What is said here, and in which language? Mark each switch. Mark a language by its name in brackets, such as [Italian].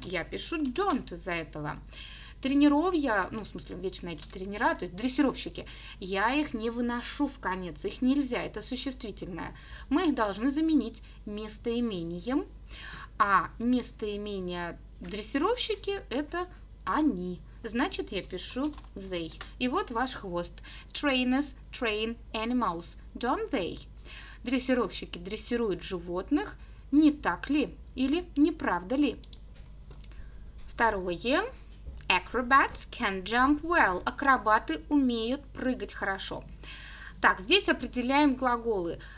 [Russian] Я пишу don't из-за этого. Тренировья, ну, в смысле, вечно эти тренера, то есть дрессировщики, я их не выношу в конец, их нельзя, это существительное. Мы их должны заменить местоимением, а местоимение дрессировщики – это они. Значит, я пишу they. И вот ваш хвост. [English] Trainers train animals, don't they? [Russian] Дрессировщики дрессируют животных, не так ли? Или не правда ли? Второе. [English] Acrobats can jump well. [Russian] Акробаты умеют прыгать хорошо. Так, здесь определяем глаголы.